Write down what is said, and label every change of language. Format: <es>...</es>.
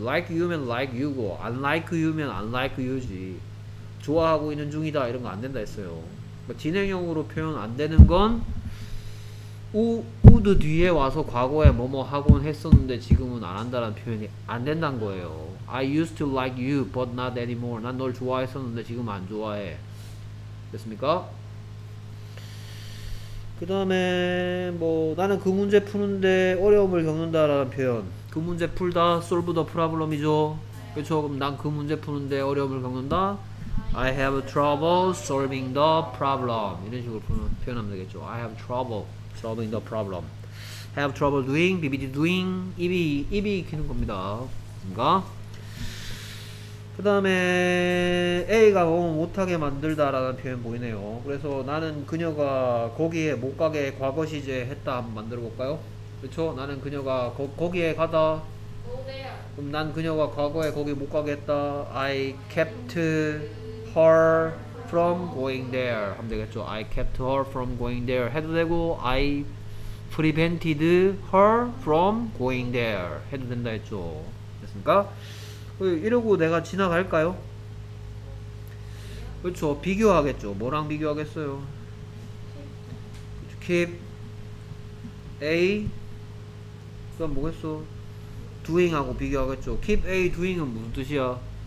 <en>Like you면 like you고 unlike you면 unlike you지.</en> <ko>좋아하고 있는 중이다 이런 거 안 된다 했어요. 그러니까 진행형으로 표현 안 되는 건 would 뒤에 와서 과거에 뭐뭐 하곤 했었는데 지금은 안 한다라는 표현이 안 된다는 거예요.</ko> <en>I used to like you but not anymore.</en> <ko>난 널 좋아했었는데 지금 안 좋아해. 됐습니까? 그 다음에 뭐 나는 그 문제 푸는데 어려움을 겪는다라는 표현. 그 문제 풀다</ko> <en>solve the problem</en> <ko>이죠. 그렇죠? 그럼 난 그 문제 푸는데 어려움을 겪는다.</ko> <en>I have trouble solving the problem.</en> <ko>이런 식으로 표현하면 되겠죠.</ko> <en>I have trouble solving the problem. Have trouble doing, BBD doing,</en> <ko>입이 익히는 겁니다. 뭔가? 그 다음에 A가 너무 못하게 만들다라는 표현 보이네요. 그래서 나는 그녀가 거기에 못 가게 과거 시제 했다 한번 만들어 볼까요? 그렇죠? 나는 그녀가 거기에 가다 그럼 난 그녀가 과거에 거기 못 가게 했다.</ko> <en>I kept her from going there</en> <ko>하면 되겠죠.</ko> <en>I kept her from going there</en> <ko>해도 되고</ko> <en>I prevented her from going there</en> <ko>해도 된다 했죠. 됐습니까? 이러고 내가 지나갈까요? 그렇죠. 비교하겠죠. 뭐랑 비교하겠어요?</ko> <en>Keep A</en> <ko>그럼 뭐겠어? Doing하고 비교하겠죠.</ko> <en>Keep A doing</en> <ko>은 무슨 뜻이야?</ko>